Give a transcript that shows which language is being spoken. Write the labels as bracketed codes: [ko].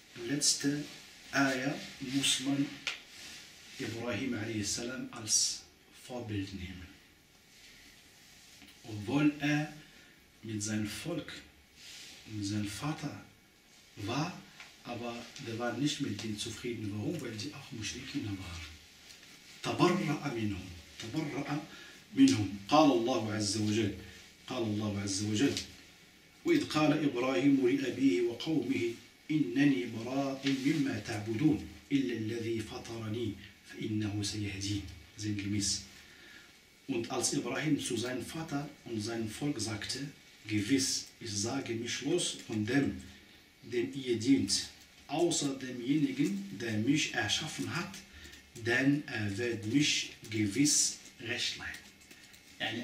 [de] Letzte Ayah muss man Ibrahim a.s. als Vorbild nehmen. Obwohl er mit seinem Volk, mit seinem Vater war, aber der war nicht mit denen zufrieden. Warum? Weil sie auch Muschrikinnen waren. [ar] تبرأ منهم قال الله عز وجل وإذ قال إبراهيم لأبيه وقومه إنني براء مما تعبدون إلا الذي فطرني فإنه سيهدين. [de] Sinngemäß. Und als Ibrahim zu seinem Vater und seinem Volk sagte, gewiss, ich sage mich los von dem, dem ihr dient, außer demjenigen, der mich erschaffen hat, denn er wird mich gewiss recht leiten.